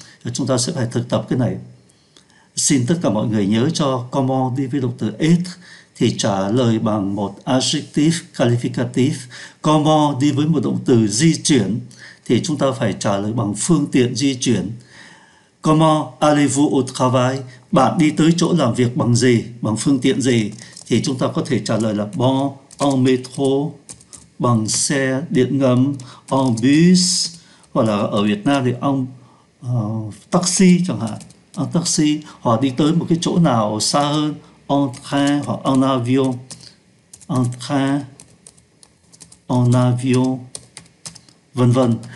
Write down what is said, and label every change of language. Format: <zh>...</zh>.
<vi>Và chúng ta sẽ phải thực tập cái này. Xin tất cả mọi người nhớ cho comment đi với động từ être thì trả lời bằng một adjective qualificative. Comment đi với một động từ di chuyển thì chúng ta phải trả lời bằng phương tiện di chuyển.</vi> <fr>Comment allez-vous au travail?</fr> <vi>Bạn đi tới chỗ làm việc bằng gì? Bằng phương tiện gì? Thì chúng ta có thể trả lời là bon,</vi> <fr>en métro,</fr> <vi>bằng xe điện ngầm,</vi> <fr>en bus,</fr> <vi>hoặc là ở Việt Nam thì ông taxi chẳng hạn, taxi, hoặc đi tới một cái chỗ nào xa hơn,</vi> <fr>en train</fr> <vi>hoặc</vi> <fr>en avion,</fr> <vi>en train, en avion, vân vân.</vi>